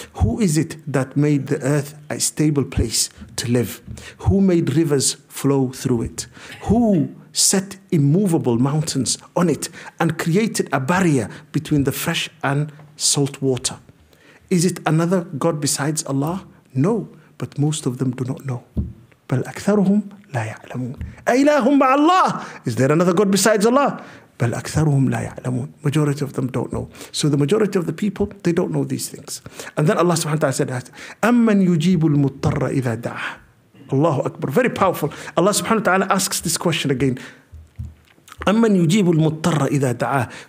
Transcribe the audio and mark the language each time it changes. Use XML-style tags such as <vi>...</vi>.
<en>Who is it that made the earth a stable place to live? Who made rivers flow through it? Who set immovable mountains on it and created a barrier between the fresh and salt water? Is it another God besides Allah? No, but most of them do not know.</en> <ar>بَلْ أَكْثَرُهُمْ لَا يَعْلَمُونَ أَيْلَاهُمْ مَعَ اللَّهِ.</ar> <en>Is there another God besides Allah?</en> <ar>بَلْ أَكْثَرُهُمْ لَا يَعْلَمُونَ.</ar> <en>Majority of them don't know. So the majority of the people, they don't know these things. And then Allah subhanahu wa ta'ala said,</en> <ar>أَمَّنْ يُجِيبُ الْمُضْطَرَّ إِذَا دَعَهُ.</ar> <en>Allahu Akbar. Very powerful. Allah subhanahu wa ta'ala asks this question again.</en> <ar>أَمَّنْ يُجِيبُ الْمُضْطَرَّ إِذَا دَعَهُ.</ar>